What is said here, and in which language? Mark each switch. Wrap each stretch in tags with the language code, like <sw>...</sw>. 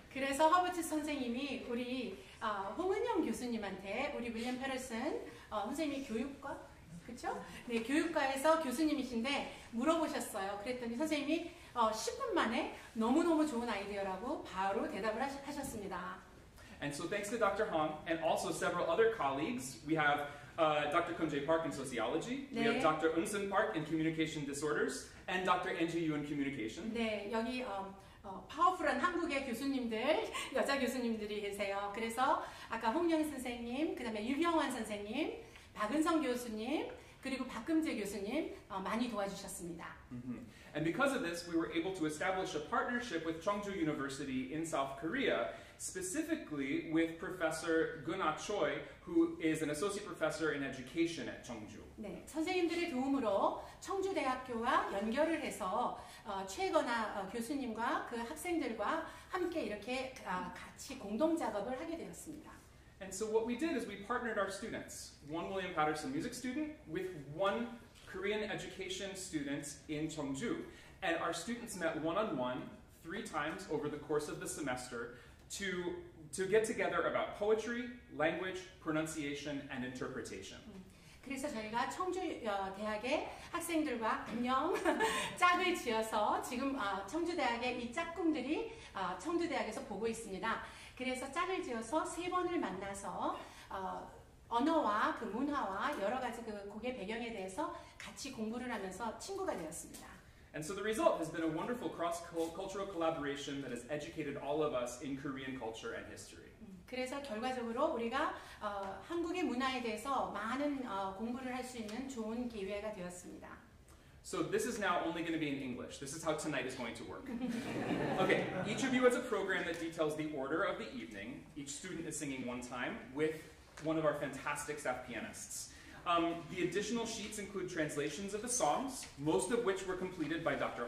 <ko>그래서 허버트 선생님이 우리 홍은영 교수님한테 우리 윌리엄 패터슨 선생님이 교육과 그렇죠? 네, 교육과에서 교수님이신데 물어보셨어요. 그랬더니 선생님이 10분 만에 너무너무 좋은 아이디어라고 바로 대답을 하셨습니다.</ko> <en>And so thanks to Dr. Hong and also several other colleagues, we have Dr. Kumjae Park in sociology.</en> <ko>네.</ko> <en>We have Dr. Eunsun Park in communication disorders and Dr. Angie Yu in communication.</en> <ko>네, 여기 파워풀한 한국의 교수님들, 여자 교수님들이 계세요. 그래서 아까 홍영 선생님, 그다음에 유형원 선생님, 박은성 교수님, 그리고 박금재 교수님 많이 도와주셨습니다. Mm-hmm.</ko> <en>And because of this, we were able to establish a partnership with Cheongju University in South Korea, specifically with Professor Gunah Choi, who is an associate professor in education at Cheongju.</en> <ko>네, 선생님들의 도움으로 청주 대학교와 연결을 해서 최건아 교수님과 그 학생들과 함께 이렇게 같이 공동 작업을 하게 되었습니다.</ko> <en>And so what we did is we partnered our students, one William Paterson music student with one Korean education student in Cheongju. And our students met one-on-one three times over the course of the semester to get together about poetry, language, pronunciation, and interpretation.</en> <ko>그래서 저희가 청주 대학의 학생들과 안녕 짝을 지어서 지금 청주 대학의 이 짝꿍들이 청주 대학에서 보고 있습니다. 그래서 짝을 지어서 세 번을 만나서 언어와 그 문화와 여러 가지 그 곡의 배경에 대해서 같이 공부를 하면서 친구가 되었습니다.</ko> <en>And so the result has been a wonderful cross-cultural collaboration that has educated all of us in Korean culture and history.</en> <ko>그래서 결과적으로 우리가 한국의 문화에 대해서 많은 공부를 할 수 있는 좋은 기회가 되었습니다.</ko> <en>So this is now only going to be in English. This is how tonight is going to work. Okay, each of you has a program that details the order of the evening. Each student is singing one time with one of our fantastic staff pianists. The additional sheets include translations of the songs, most of which were completed by Dr.</en>